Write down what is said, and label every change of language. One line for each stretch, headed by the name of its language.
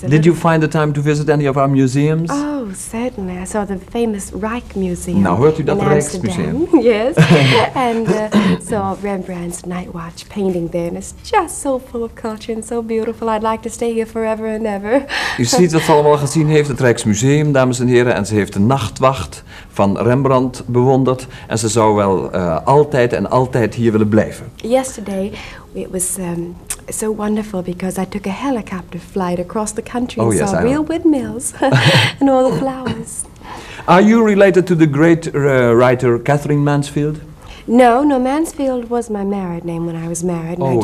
English: Did you find the time to visit any of our museums? Oh, certainly. I saw the famous Rijk Museum. Now, where to that Rijk Museum? Yes. And saw Rembrandt's Night Watch painting there. And it's just so full of culture and so beautiful. I'd like to stay here forever and ever.
Dutch: U ziet het allemaal gezien heeft het Rijksmuseum, dames en heren. En ze heeft de Nachtwacht van Rembrandt bewonderd. En ze zou wel altijd en altijd hier willen blijven.
English: Yesterday, it was so wonderful because I took a helicopter flight across the country and yes, saw real windmills and all the flowers. Are you related to the great writer Catherine Mansfield? No, Mansfield was my married name when I was married, and